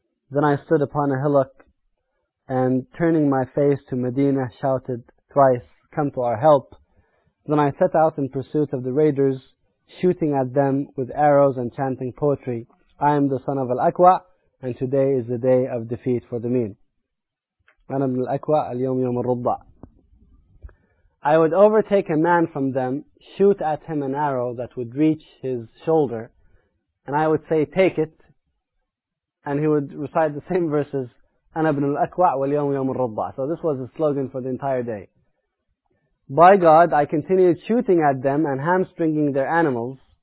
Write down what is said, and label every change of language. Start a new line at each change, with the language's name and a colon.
English: Then I stood upon a hillock, and turning my face to Medina, shouted thrice, come to our help. Then I set out in pursuit of the raiders, shooting at them with arrows and chanting poetry. I am the son of Al-Aqwa, and today is the day of defeat for the mean.
Arabic: أنا من الأقوى اليوم يوم الرضع.
English: I would overtake a man from them, shoot at him an arrow that would reach his shoulder, and I would say, take it, and he would recite the same verses,
Arabic: أنا ابن الأكوع واليوم يوم الرضع.
English: So this was the slogan for the entire day. By God, I continued shooting at them and hamstringing their animals.